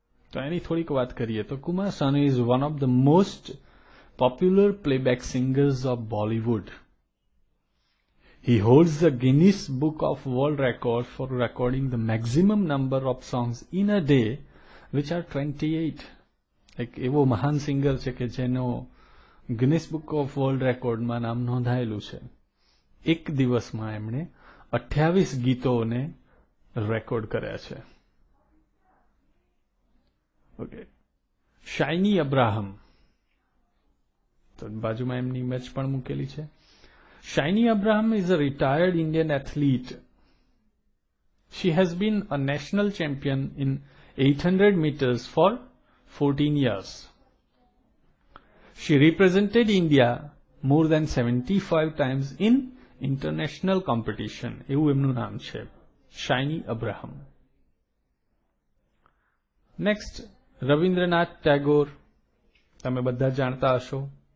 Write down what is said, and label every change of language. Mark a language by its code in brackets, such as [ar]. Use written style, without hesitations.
[gu] To aani thodi ko baat kariye to [en] Kumar Sanu is one of the most popular playback singers of Bollywood. He holds the Guinness Book of World Records for recording the maximum number of songs in a day, which are 28. [gu] એક એવો મહાન singer છે કે જેનો Guinness book of world રેકોર્ડમાં નામ નોંધાયેલું છે. એક દિવસમાં એમણે 28 ગીતોને રેકોર્ડ કર્યા છે. ઓકે, શાઇની અબ્રાહમ, તો બાજુમાં એમની ઇમેજ પણ મૂકેલી છે. [en] Shiny Abraham is a retired Indian athlete. She has been a national champion in 800 metres for 14 years. She represented India more than 75 times in international competition. [gu] Evu emnu naam che, Shiny Abraham. [en] Next, [gu] Rabindranath Tagore. Tame badha janta hasho.